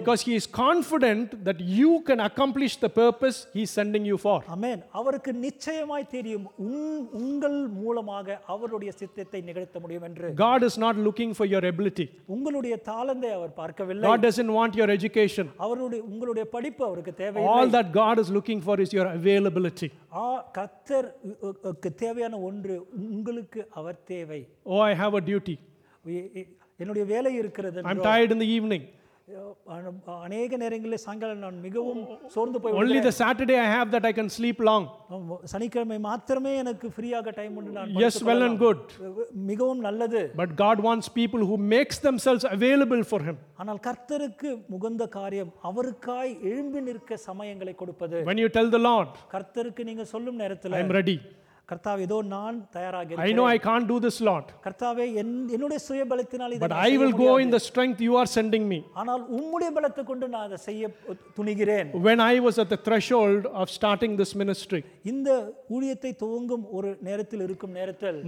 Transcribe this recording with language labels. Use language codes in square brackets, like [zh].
[en] Because he is confident that you can accomplish the purpose he is sending you for. Amen. [ta] அவருக்கு நிச்சயமாய் தெரியும், உங்கள் மூலமாக அவருடைய சித்தத்தை நிகழ்த்த முடியும் என்று. [en] God is not looking for your ability. [ta] உங்களுடைய தாளந்தை அவர் பார்க்கவில்லை. [en] God doesn't want your education. [ta] அவருடைய உங்களுடைய படிப்பு அவருக்கு தேவையில்லை. [en] All that God is looking for is your availability. [ta] கர்த்தருக்கு தேவையான ஒன்று உங்களுக்கு அவர் தேவை. [en] Oh, I have a duty. [ta] என்னுடைய வேலை இருக்கிறது. [en] I'm tired in the evening. [ta] அநேக நேரங்களில் சாயங்காலம் நான் மிகவும் சோர்ந்து போய் [en] Only the Saturday I have that I can sleep long. [ta] சனிக்கிழமை மாத்திரமே எனக்கு ஃப்ரீயாக டைம் உண்டு. நான் [en] Yes, well and good. [ta] மிகவும் நல்லது. [en] But God wants people who makes themselves available for him. [ta] ஆனால் கர்த்தருக்கு முகந்த காரியம் அவருக்காய் எழும்பி நிற்க சமயங்களை கொடுப்பது. [en] When you tell the Lord. [ta] கர்த்தருக்கு நீங்க சொல்லும் நேரத்தில் [en] I'm ready. [ta] கர்த்தாவே, இதோ நான் தயாராக இருக்கிறேன். [en] I know I can't do this, Lord. [ta] கர்த்தாவே, என்னுடைய சுயபலத்தினால் இதை செய்ய முடியாது. [en] But I will go in the strength you are sending me. [ta] ஆனால் உம்முடைய பலத்தை கொண்டு நான் அதை செய்ய துணிகிறேன். [en] When I was at the threshold of starting this ministry. [ta] இந்த ஊழியத்தை துவங்கும் ஒரு நேரத்தில் இருக்கும் நேரத்தில்